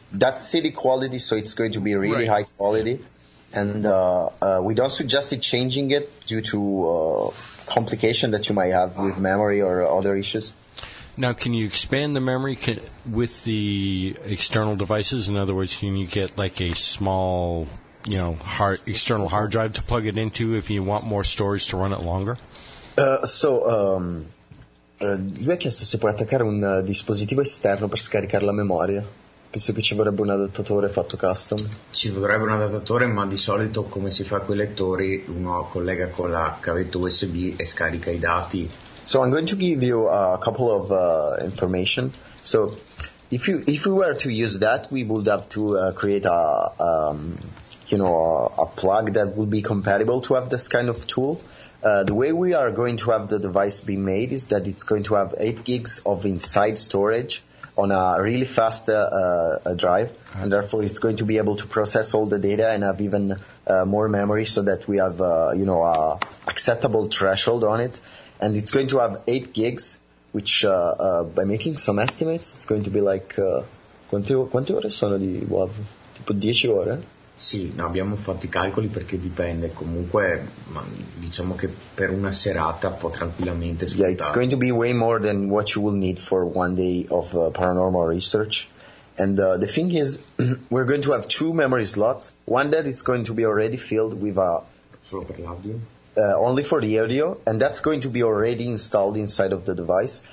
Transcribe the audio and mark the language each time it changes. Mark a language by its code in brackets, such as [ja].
[en] That's CD quality, so it's going to be really high quality. And we don't suggest it changing it due to complication that you might have with memory or other issues. Now, can you expand the memory with the external devices? In other words, can you get like a small, you know, external hard drive to plug it into if you want more storage to run it longer? [it] Lui ha chiesto se puoi attaccare un dispositivo esterno per scaricare la memoria. Penso che ci vorrebbe un adattatore fatto custom. Ci vorrebbe un adattatore, ma di solito come si fa con i lettori, uno collega con la cavetta USB e scarica i dati. [en] So I'm going to give you a couple of information. So if we were to use that, we would have to create a plug that would be compatible to have this kind of tool. The way we are going to have the device be made is that it's going to have 8 gigs of inside storage on a really fast drive, and therefore it's going to be able to process all the data and have even more memory, so that we have acceptable threshold on it. And it's going to have 8 gigs, which by making some estimates, it's going to be like... [it] quante ore sono di WAV? Tipo 10 ore? Sì, no, abbiamo fatto i calcoli perché dipende. Comunque, ma diciamo che per una serata può tranquillamente sfruttare. [en] Yeah, it's going to be way more than what you will need for one day of paranormal research. And the thing is, we're going to have 2 memory slots. One that is going to be already filled with a... [it] Solo per l'audio? [en] Only for the audio, and that's going to be already installed inside of the device.